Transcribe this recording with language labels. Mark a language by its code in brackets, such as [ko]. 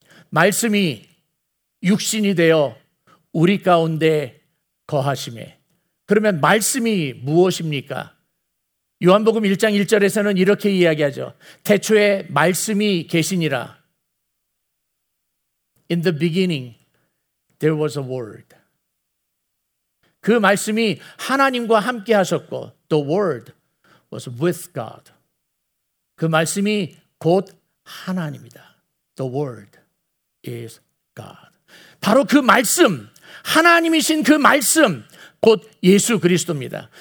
[ko] 말씀이 육신이 되어 우리 가운데 거하심에. 그러면 말씀이 무엇입니까? 요한복음 1장 1절에서는 이렇게 이야기하죠. 태초에 말씀이 계시니라. [en] In the beginning, there was a word. [ko] 그 말씀이 하나님과 함께 하셨고, [en] the word was with God. [ko] 그 말씀이 곧 하나님이다. [en] The word is God. [ko] 바로 그 말씀, 하나님이신 그 말씀, 곧 예수 그리스도입니다.